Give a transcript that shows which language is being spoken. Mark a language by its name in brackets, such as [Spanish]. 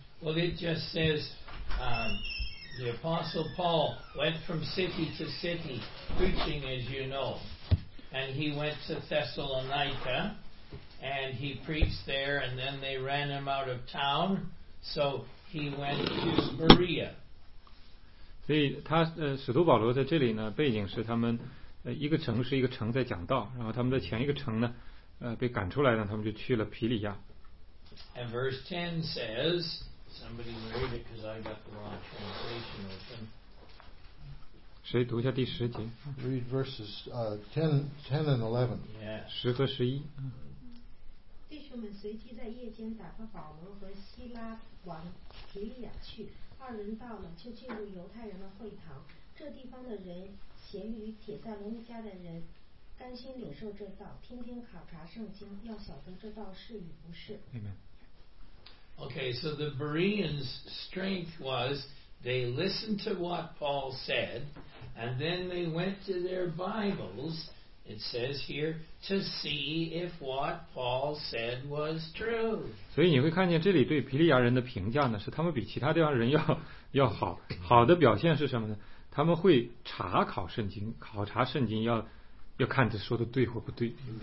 [English] Well, it just says the Apostle Paul went from city to city preaching, as you know. And he went to Thessalonica and he preached there, and then they ran him out of town, so he went to Berea. [Chinese] 所以他使徒保罗在这里呢，背景是他们一个城市一个城在讲道，然后他们在前一个城呢被赶出来了，他们就去了皮里亚。 [English] And verse 10 says, somebody read it because I got the wrong translation open. [Chinese] 谁读一下第十节 [English] read verses 10 and 11 [Chinese] 十和十一弟兄们随即在夜间打发保罗和希拉往提利亚去二人到了就进入犹太人的会堂这地方的人咸于铁塞罗尼迦的人甘心领受这道天天考察圣经要晓得这道是与不是 [English] Amen. Okay, so the Bereans' strength was they listened to what Paul said and then they went to their Bibles it says here to see if what Paul said was true [Chinese] 所以你会看见这里对皮利亚人的评价呢是他们比其他地方人 要好好的表现是什么呢他们会查考圣经考察圣经要看这说的对或不对